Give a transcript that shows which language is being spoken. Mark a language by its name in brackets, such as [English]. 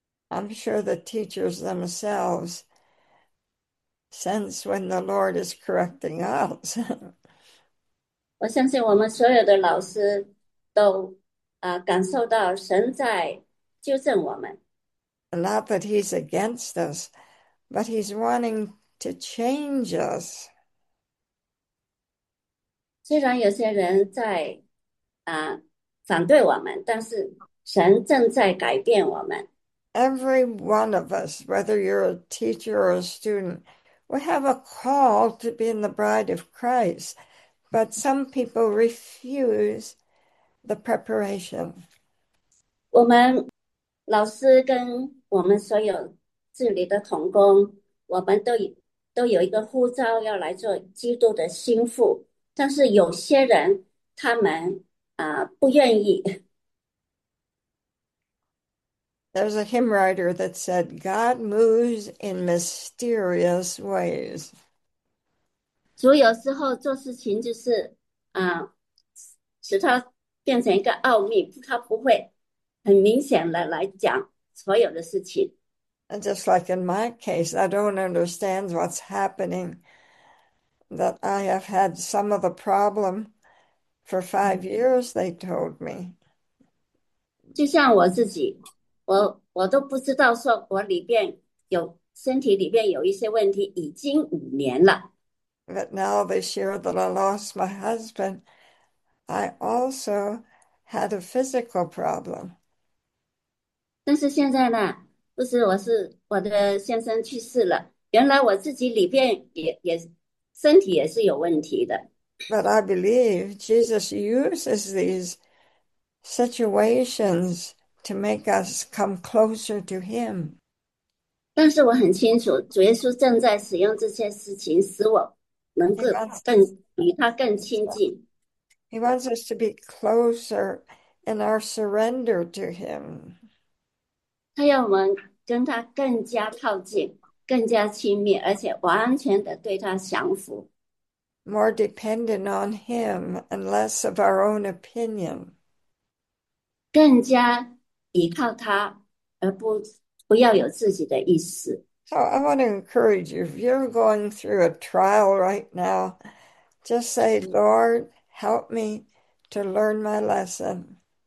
[English] I'm sure the teachers themselves sense when the Lord is correcting us. [Chinese] 我相信我们所有的老师都感受到神在纠正我们。 [English] Not that he's against us, but he's wanting to change us. [Chinese] 虽然有些人在反对我们，但是神正在改变我们。 [English] Every one of us, whether you're a teacher or a student, we have a call to be in the bride of Christ, but some people refuse the preparation. [Chinese] 我们老师跟我们所有这里的同工，我们都有一个呼召，要来做基督的心腹。但是有些人，他们不愿意。 [English] There's a hymn writer that said, God moves in mysterious ways. [Chinese] 主有时候做事情就是使它变成一个奥秘，他不会。很明显的来讲，所有的事情。 [English] And just like in my case, I don't understand what's happening, that I have had some of the problem for 5 years, they told me. [Chinese] 就像我自己，我都不知道说我里边有身体里边有一些问题，已经5年了。 [English] But now this year that I lost my husband, I also had a physical problem. [Chinese] 但是现在呢，不是我是我的先生去世了，原来我自己里边也身体也是有问题的。 [English] But I believe Jesus uses these situations to make us come closer to him. [Chinese] 但是我很清楚，主耶稣正在使用这些事情，使我能 [English] He wants [Chinese] 更 [English] us [Chinese] 与他更亲近。 [English] to be closer in our surrender to Him. [Chinese] 他要我们跟他更加靠近，更加亲密，而且完全的对他降服。 [English] More dependent on Him and less of our own opinion. [Chinese] 更加依靠他，而不要有自己的意思。 [English] So, I want to encourage you, if you're going through a trial right now, just say, Lord, help me to learn my lesson.